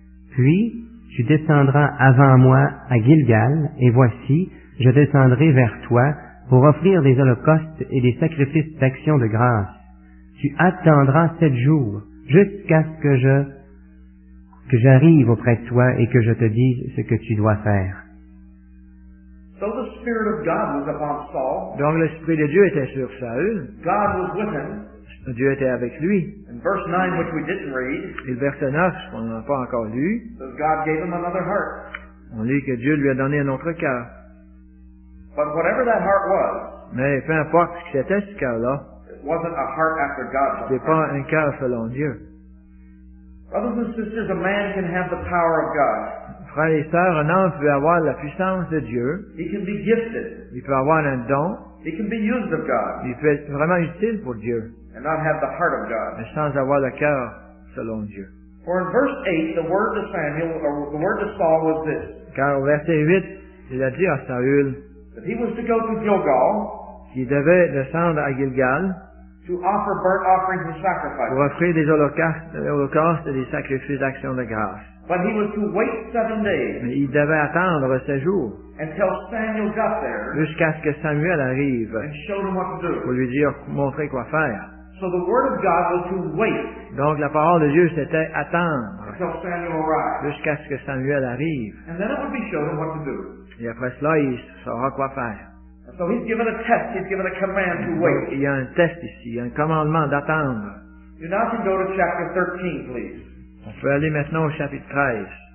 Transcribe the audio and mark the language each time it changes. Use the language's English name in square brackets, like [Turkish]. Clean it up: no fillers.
[French] Puis, tu descendras avant moi à Gilgal, et voici, je descendrai vers toi pour offrir des holocaustes et des sacrifices d'action de grâce. Tu attendras 7 jours jusqu'à ce que j'arrive auprès de toi et que je te dise ce que tu dois faire. [English] So the Spirit of God was upon Saul. [French] Donc l'Esprit de Dieu était sur Saül. [English] God was with him. [French] Dieu était avec lui. [English] In verse 9, which we didn't read, [French] et le verset 9, on n'a pas encore lu. [English] So God gave him another heart. [French] On lit que Dieu lui a donné un autre cœur. [English] But whatever that heart was, [French] mais peu importe ce que c'était ce cœur-là, [English] it wasn't a heart after God's heart. [French] C'était pas un cœur selon Dieu. [English] Brothers and sisters, a man can have the power of God. [French] Frères et sœurs, un homme peut avoir la puissance de Dieu. [English] He can be gifted. [French] Il peut avoir un don. [English] He can be used of God. [French] Il peut être vraiment utile pour Dieu. [English] And not have the heart of God. [French] Mais sans avoir le cœur selon Dieu. [English] For in verse 8, the word to Samuel, or the word to Saul was this. [French] Car au verset 8, il a dit à Saül, [English] that he was to go to Gilgal, [French] qui devait descendre à Gilgal [English] to offer burnt offerings and sacrifices. [French] Pour offrir des holocaustes et des sacrifices d'action de grâce. [English] But he was to wait 7 days. [French] Mais il devait attendre 7 jours. [English] Until Samuel got there. [French] Jusqu'à ce que Samuel arrive. [English] And showed him what to do. [French] Pour lui dire, montrer quoi faire. [English] So the word of God was to wait. [French] Donc la parole de Dieu c'était attendre. [English] Until Samuel arrived. [French] Jusqu'à ce que Samuel arrive. [English] And then it would be shown him what to do. [French] Et après cela, il saura quoi faire. [English] So he's given a test. He's given a command to wait. [French] Il y a un test ici, un commandement d'attendre. [English] You now can go to chapter 13, please. [French] On peut aller maintenant au chapitre 13.